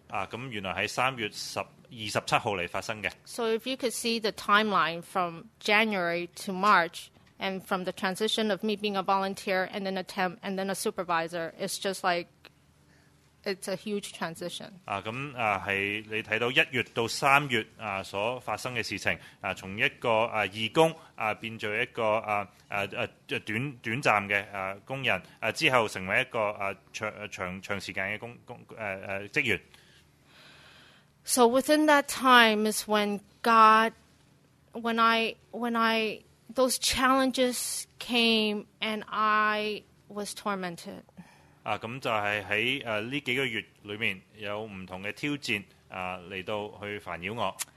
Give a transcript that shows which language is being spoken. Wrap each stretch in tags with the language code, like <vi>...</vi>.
<yue>咁原來喺3月27日嚟發生嘅。</yue> <en>So if you could see the timeline from January to March, and from the transition of me being a volunteer and then a temp and then a supervisor, it's just like it's a huge transition.</en> <yue>咁係你睇到一月到三月所發生嘅事情從一個義工變做一個短暫嘅工人之後成為一個長時間嘅職員。</yue> <en>So within that time is when God, when I, those challenges came and I was tormented.</en> <yue>咁就係喺呢幾個月裏面有唔同嘅挑戰嚟到去煩擾我。</yue>